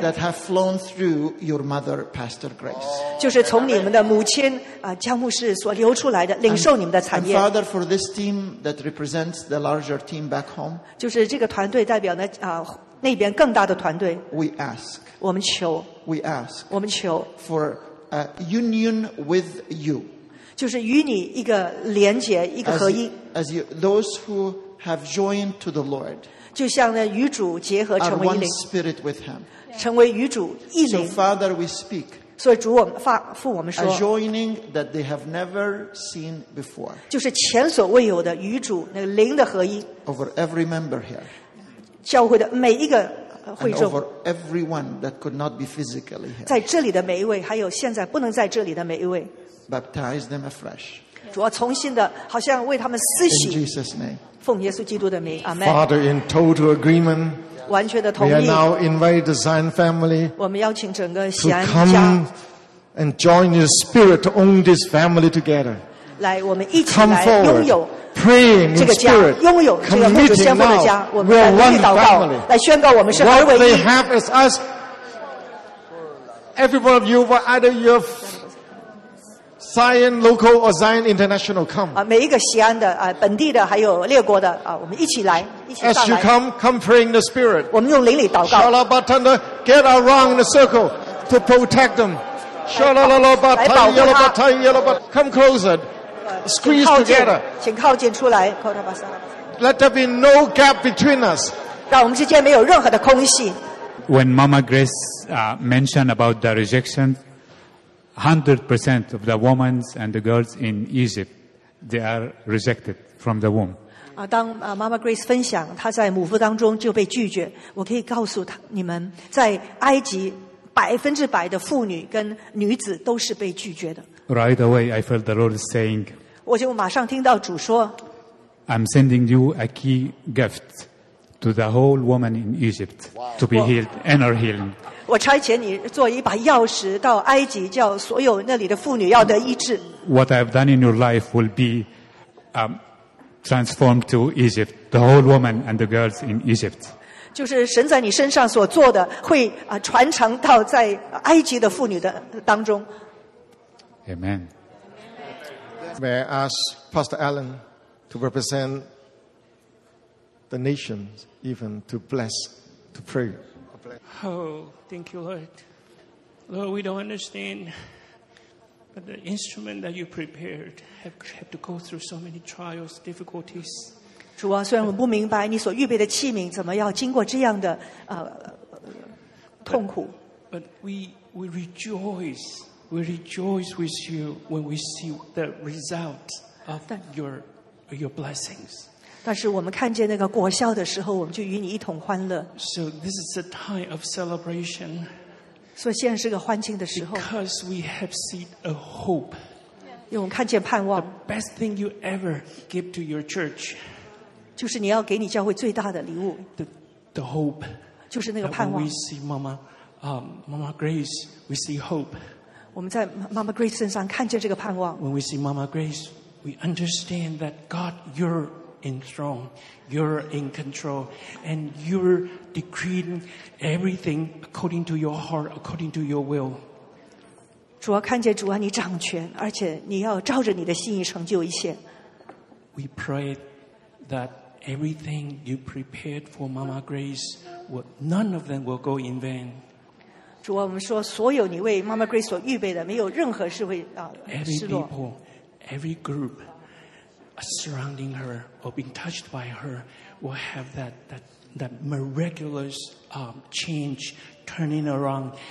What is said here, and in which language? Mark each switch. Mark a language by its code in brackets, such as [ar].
[en] That have flown through your mother, Pastor Grace. [zh] 就是从你们的母亲江牧师所流出来的，领受你们的产业。 [en] And Father, for this team that represents the larger team back home. [zh] 就是这个团队代表那边更大的团队。 [en] We ask. [zh] 我们求。 [en] We ask. [zh] 我们求。 [en] For a union with you. [zh] 就是与你一个连结，一个合一。 [en] As you, those who have joined to the Lord, [zh] 就像呢与主结合成为一灵。 [en] Are one spirit with Him, [zh] 成为与主一灵。 [en] So Father, we speak. [zh] 所以主我们父我们说。 [en] A joining that they have never seen before. [zh] 就是前所未有的与主那个灵的合一。 [en] Over every member here. [zh] 教会的每一个。 [en] And over everyone that could not be physically here. [zh] 在这里的每一位，还有现在不能在这里的每一位。 [en] Baptize them afresh. [zh] 主要重新的，好像为他们施洗。 [en] In Jesus' name. [zh] 奉耶稣基督的名 ，Amen. [en] Father, in total agreement. [zh] 完全的同意。 [en] We are now invite the Zion family. [zh] 我们邀请整个锡安家。 [en] To come and join your spirit to own this family together. [zh] 来，我们一起来拥有。 [en] Praying in spirit, committing now, we are one family. [zh] 来宣告我们是合为一。 [en] What they have is us. Every one of you, whether you're Zion local or Zion international, come. [zh] 每一个锡安的本地的还有列国的我们一起来，一起上来。 [en] As you come praying the spirit. [zh] 我们用灵里祷告。 [en] Shalabatanda, get around the circle to protect them. Shalalalabatayyalabatayyalabat, come closer. Squeeze together. [zh] 请靠近出来。 [en] Let there be no gap between us. [zh] 让我们之间没有任何的空隙。 [en] When Mama Grace mentioned about the rejection, 100% of the women and the girls in Egypt, they are rejected from the womb. [zh] 当Mama Grace 分享她在母腹当中就被拒绝，我可以告诉你们，在埃及100%的妇女跟女子都是被拒绝的。 [en] Right away, I felt the Lord saying, [zh] 我就马上听到主说 [en] I'm sending you a key gift to the whole woman in Egypt to be healed, inner healing. [zh] 我差遣你做一把钥匙到埃及，叫所有那里的妇女要得医治。 [en] What I've done in your life will be transformed to Egypt, the whole woman and the girls in Egypt. [zh] 就是神在你身上所做的会传承到在埃及的妇女的当中。 [en] Amen. May I ask Pastor Allen to represent the nations, even to bless, to pray? Oh, thank you, Lord. Lord, we don't understand, but the instrument that you prepared have to go through so many trials, difficulties. [zh] 主啊，虽然我不明白你所预备的器皿怎么要经过这样的痛苦。 [en] But we rejoice. We rejoice with you when we see the result of your blessings. [zh] 但是我们看见那个果效的时候，我们就与你一同欢乐。 [en] So this is a time of celebration. [zh] 所以现在是个欢庆的时候。 [en] Because we have seen a hope. [zh] 因为我们看见盼望。 [en] The best thing you ever give to your church. [zh] 就是你要给你教会最大的礼物。 [en] The hope. [zh] 就是那个盼望。 [en] When we see Mama Grace, we see hope. [zh] 我们在 Mama Grace 身上看见这个盼望。 [en] When we see Mama Grace, we understand that God, you're in throne, you're in control, and you're decreeing everything according to your heart, according to your will. [zh] 主啊，看见主啊，你掌权，而且你要照着你的心意成就一切。 [en] We pray that everything you prepared for Mama Grace, none of them will go in vain. [zh] 主啊，我们说所有你为 Mama Grace 所预备的，没有任何是会失落。 [en] Every people, every group surrounding her or being touched by her will have that miraculous change turning around.